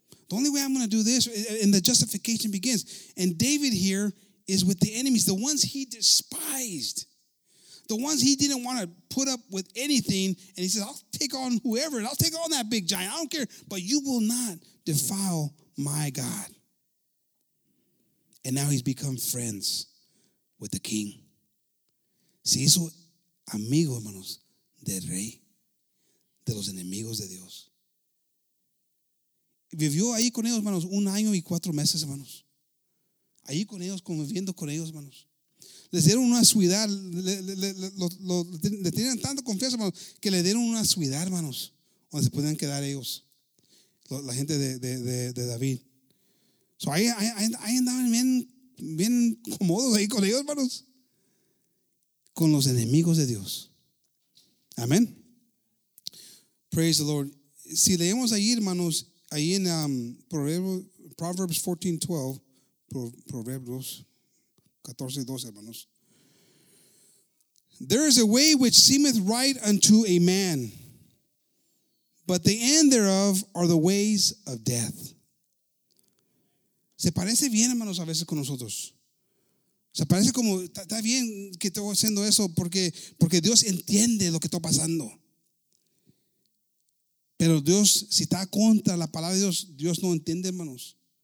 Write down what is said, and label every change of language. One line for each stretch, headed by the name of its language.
English: The only way I'm going to do this, and the justification begins. And David here is with the enemies, the ones he despised, the ones he didn't want to put up with anything. And he says, I'll take on whoever, and I'll take on that big giant. I don't care, but you will not defile my God. And now he's become friends with the king.
Spanish: Se hizo amigo, hermanos, del rey, de los enemigos de Dios. Vivió ahí con ellos, hermanos, un año y cuatro meses, hermanos. Ahí con ellos, conviviendo con ellos, hermanos. Les dieron una ciudad, le tenían tanto confianza, hermanos, que le dieron una ciudad, hermanos, donde se podían quedar ellos, la gente de David. So ahí andaban bien, bien cómodos ahí con ellos, hermanos. Con los enemigos de Dios. Amén.
English: Praise the Lord.
Spanish: Si leemos ahí, hermanos, ahí en Proverbs 14:12, Proverbios 14:12, hermanos.
English: There is a way which seemeth right unto a man, but the end thereof are the ways of death.
Spanish: Se parece bien, hermanos, a veces con nosotros. Se parece como, está bien que estoy haciendo eso porque Dios entiende lo que está pasando. Pero Dios, si está contra la palabra de Dios, Dios no entiende, hermanos.